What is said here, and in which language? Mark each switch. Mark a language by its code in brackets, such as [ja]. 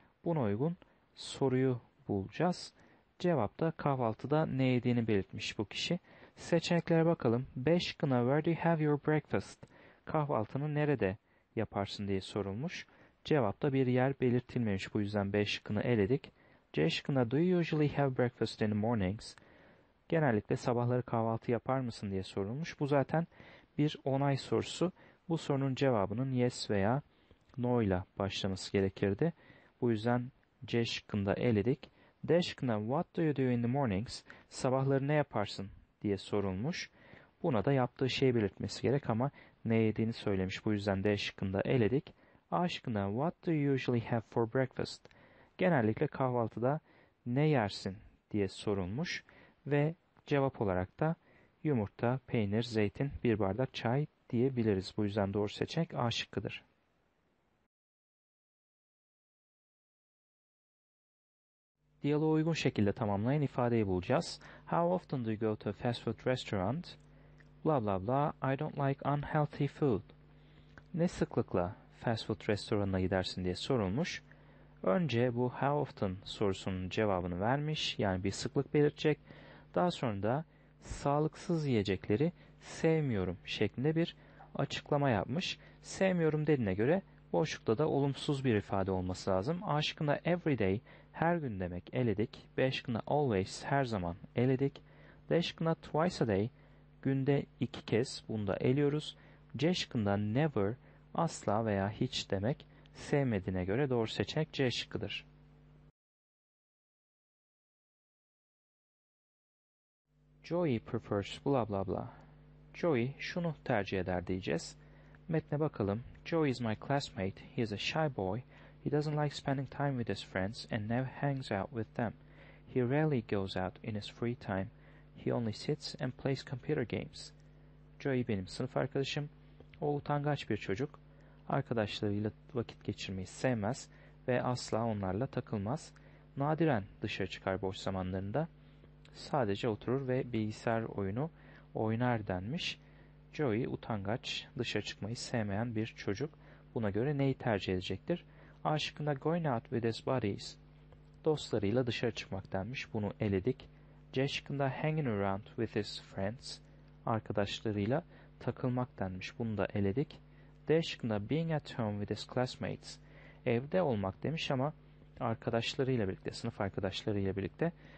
[tr] Buna uygun soruyu bulacağız. Cevap da kahvaltıda ne yediğini belirtmiş bu kişi. Seçeneklere bakalım. 5 şıkkına [en] where do you have your breakfast? [tr] Kahvaltını nerede yaparsın diye sorulmuş. Cevap da bir yer belirtilmemiş, bu yüzden 5 şıkkını eledik. C şıkkına [en] do you usually have breakfast in the mornings? [tr] Genellikle sabahları kahvaltı yapar mısın diye sorulmuş. Bu zaten bir onay sorusu. Bu sorunun cevabının yes veya no ile başlaması gerekirdi. Bu yüzden C şıkkında eledik. D şıkkına [en] what do you do in the mornings? [tr] Sabahları ne yaparsın diye sorulmuş. Buna da yaptığı şeyi belirtmesi gerek ama ne yediğini söylemiş. Bu yüzden D şıkkında eledik. A şıkkına [en] what do you usually have for breakfast? [tr] Genellikle kahvaltıda ne yersin diye sorulmuş. Ve cevap olarak da yumurta, peynir, zeytin, bir bardak çay diyebiliriz. Bu yüzden doğru seçenek A şıkkıdır. Diyaloğu uygun şekilde tamamlayan ifadeyi bulacağız. [en] How often do you go to a fast food restaurant? Blah blah blah. I don't like unhealthy food. [tr] Ne sıklıkla fast food restoranına gidersin diye sorulmuş. Önce bu how often sorusunun cevabını vermiş. Yani bir sıklık belirtecek. Daha sonra da sağlıksız yiyecekleri sevmiyorum şeklinde bir açıklama yapmış. Sevmiyorum dediğine göre boşlukta da olumsuz bir ifade olması lazım. A şıkkında every day, her gün demek eledik. B şıkkında always, her zaman eledik. D şıkkında [en] twice a day, [tr] günde iki kez, bunu da eliyoruz. C şıkkında never, asla veya hiç demek sevmediğine göre doğru seçenek C şıkkıdır. Joey [en] prefers blah blah blah. [tr] Joey şunu tercih eder diyeceğiz. Metne bakalım. [en] Joey is my classmate. He is a shy boy. He doesn't like spending time with his friends and never hangs out with them. He rarely goes out in his free time. He only sits and plays computer games. [tr] Joey benim sınıf arkadaşım. O utangaç bir çocuk. Arkadaşlarıyla vakit geçirmeyi sevmez ve asla onlarla takılmaz. Nadiren dışarı çıkar boş zamanlarında. Sadece oturur ve bilgisayar oyunu oynar denmiş. Joey utangaç, dışarı çıkmayı sevmeyen bir çocuk. Buna göre neyi tercih edecektir? Aşkında [en] going out with his buddies. [tr] Dostlarıyla dışarı çıkmak denmiş. Bunu eledik. C şıkkında [en] hanging around with his friends. [tr] Arkadaşlarıyla takılmak denmiş. Bunu da eledik. D şıkkında [en] being at home with his classmates. [tr] Evde olmak demiş ama arkadaşlarıyla birlikte, sınıf arkadaşlarıyla birlikte.